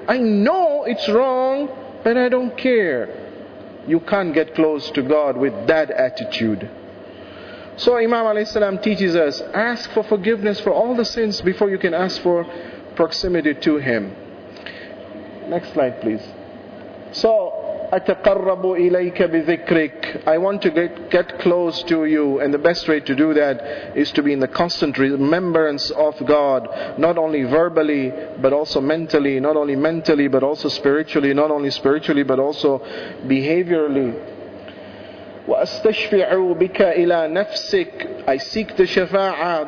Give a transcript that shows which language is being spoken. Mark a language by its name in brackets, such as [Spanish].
[English] I know it's wrong, but I don't care. You can't get close to God with that attitude. So Imam alayhi salam teaches us, ask for forgiveness for all the sins before you can ask for proximity to Him. Next slide, please. So, [Arabic] أَتَقَرَّبُ إِلَيْكَ بِذِكْرِكَ. [English] I want to get close to you. And the best way to do that is to be in the constant remembrance of God. Not only verbally, but also mentally. Not only mentally, but also spiritually. Not only spiritually, but also behaviorally. [Arabic] وَأَسْتَشْفِعُ بِكَ إِلَى نَفْسِكَ. [English] I seek the shafa'a.